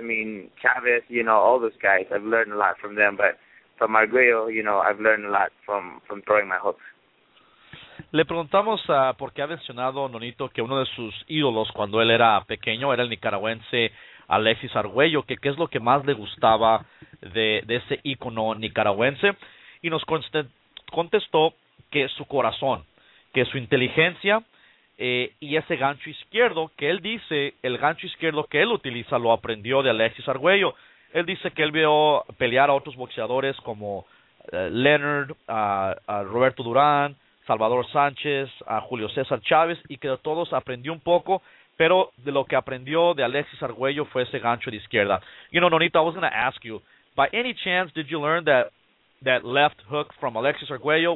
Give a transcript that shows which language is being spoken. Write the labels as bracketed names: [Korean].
[English] I mean, Chavez, you know, all those guys. I've learned a lot from them. But from Arguello, you know, I've learned a lot from throwing my hooks. [Spanish] Le preguntamos por qué ha mencionado Nonito que uno de sus ídolos cuando él era pequeño era el nicaragüense Alexis Arguello, que qué es lo que más le gustaba de ese ícono nicaragüense. Y nos contestó que su corazón, que su inteligencia y ese gancho izquierdo, que él dice, el gancho izquierdo que él utiliza lo aprendió de Alexis Arguello. Él dice que él vio pelear a otros boxeadores como Leonard, a Roberto Durán, Salvador Sánchez, a Julio César Chávez, y que de todos aprendió un poco, pero de lo que aprendió de Alexis Arguello fue ese gancho de izquierda. [English] You know, Nonito, I was going to ask you, by any chance did you learn that left hook from Alexis Arguello?